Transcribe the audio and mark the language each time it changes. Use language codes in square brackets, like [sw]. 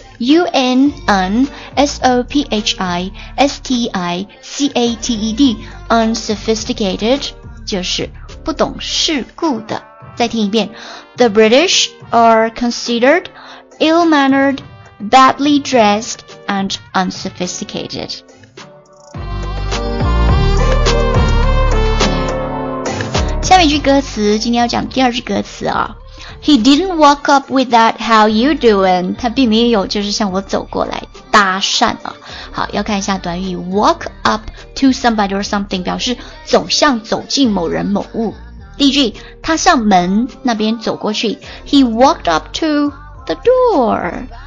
[en] Unsophisticated, unsophisticated, [zh] 就是不懂世故的。再听一遍。 [en] The British are considered ill-mannered, badly dressed, and unsophisticated. [zh] 下面一句歌词，今天要讲第二句歌词啊。 [en] He didn't walk up with that, how you doing? [zh] 他并没有就是向我走过来搭讪啊。好，要看一下短语 [en] walk up to somebody or something [zh] 表示走向走进某人某物。例句，他向门那边走过去。 [en] He walked up to the door.